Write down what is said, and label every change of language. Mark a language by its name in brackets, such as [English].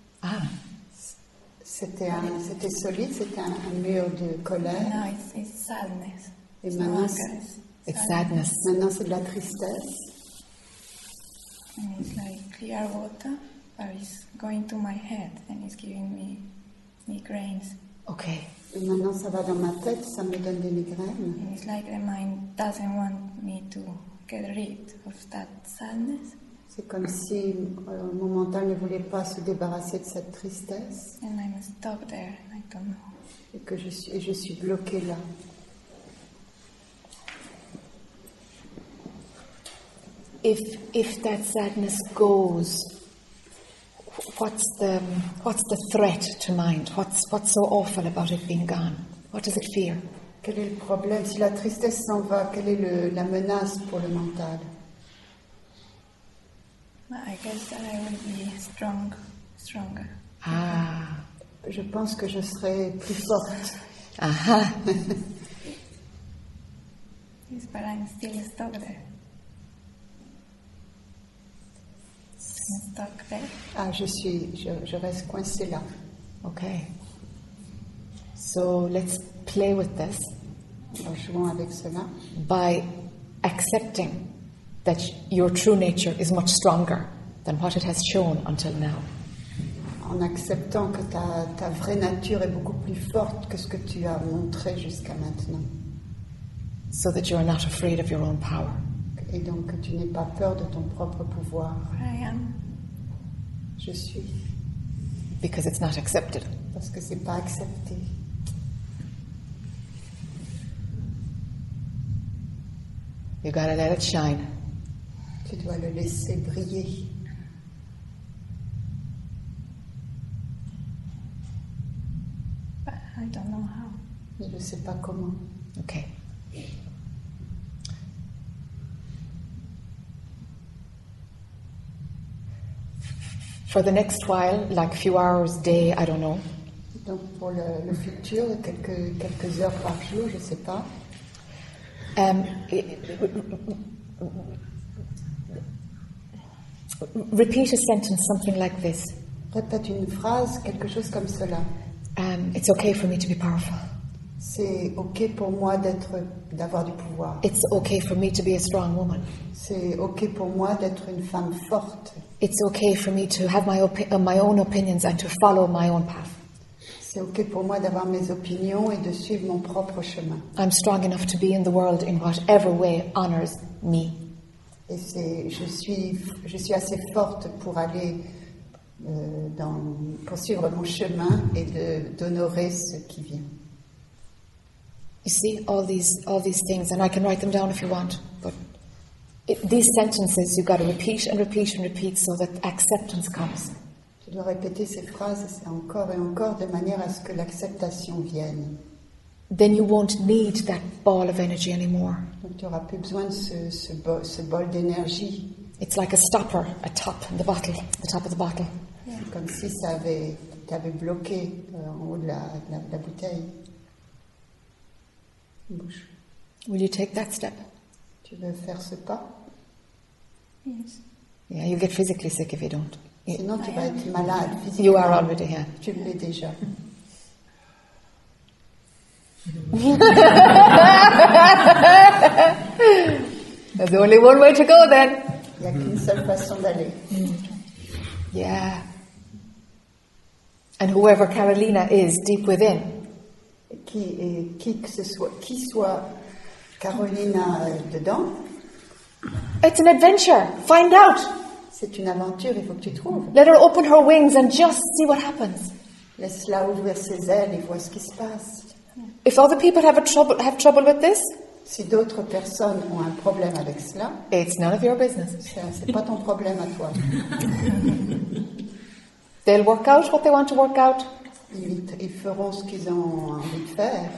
[French] Ah. C'était solide. C'était un mur de colère. [English] Now it's sadness. [French] Et maintenant, [English] it's sadness. [French] Maintenant c'est de la tristesse. [English] And it's like clear water, but it's going to my head and it's giving me migraines. Okay. [French] Et maintenant ça va dans ma tête, ça me donne des migraines. [English] And it's like the mind doesn't want me to get rid of that sadness. [French] C'est comme si mon mental ne voulait pas se débarrasser de cette tristesse. [English] And I'm stuck there, I don't know. [French] Et que je suis bloquée là. [English] If that sadness goes, what's the threat to mind? What's so awful about it being gone? What does it fear? [French] Quel est le problème si la tristesse s'en va? Quelle est la menace pour le mental? [English] I guess that I will be stronger. Ah, [French] je pense que je serai plus forte. Aha. [English] Yes, but I'm still stuck there. [French] Ah, je reste coincée là. [English] Okay. So let's play with this. [French] Alors, jouons avec cela. [English] By accepting that your true nature is much stronger than what it has shown until now. [French] En acceptant que ta vraie nature est beaucoup plus forte que ce que tu as montré jusqu'à maintenant. [English] So that you are not afraid of your own power. [French] Et donc que tu n'aies pas peur de ton propre pouvoir. [English] I am. [French] Je suis. [English] Because it's not accepted. [French] Parce que c'est pas accepté. [English] You gotta let it shine. [French] Tu dois le laisser briller. [English] But I don't know how. [French] Je ne sais pas comment. [English] Okay. For the next while, like a few hours, day, I don't know. [French] Donc pour le futur, quelques heures par jour, je sais pas. [English] Repeat a sentence, something like this. [French] Répète une phrase, quelque chose comme cela. [English] It's okay for me to be powerful. [French] C'est okay pour moi d'avoir du pouvoir. [English] It's okay for me to be a strong woman. [French] C'est okay pour moi d'être une femme forte. [English] It's okay for me to have my own opinions and to follow my own path. [French] C'est okay pour moi d'avoir mes opinions et de suivre mon propre chemin. [English] I'm strong enough to be in the world in whatever way honors me. [French] Et je suis assez forte pour aller pour suivre mon chemin et d'honorer ce qui vient. [English] You see all these things, and I can write them down if you want, but. These sentences, you've got to repeat and repeat and repeat so that acceptance comes. [French] Tu dois répéter ces phrases encore et encore de manière à ce que l'acceptation vienne. [English] Then you won't need that ball of energy anymore. [French] Donc tu n'auras plus besoin de ce bol d'énergie. [English] It's like a stopper, a top in the bottle, the top of the bottle. Yeah. [French] Comme si ça t'avait bloqué en haut de la bouteille. Bouche. [English] Will you take that step? [French] Tu veux faire ce pas? [English] Yes. Yeah, you get physically sick if you don't. [French] Sinon, tu vas être malade physiquement. [English] You are already here. Yeah. [French] Tu l'es déjà. [English] There's only one way to go then. [French] Il n'y a qu'une seule façon d'aller. [English] Yeah. And whoever Carolina is deep within. [French] Qui soit. Carolina dedans. [English] It's an adventure. Find out. [French] C'est une aventure, il faut que tu trouves. [English] Let her open her wings and just see what happens. [French] Laisse-la ouvrir ses ailes et vois ce qui se passe. [English] If other people have trouble with this, [French] si d'autres personnes ont un problème avec cela, [English] it's none of your business. [French] C'est pas ton problème à toi. [English] They'll work out what they want to work out. [French] Ils feront ce qu'ils ont envie de faire.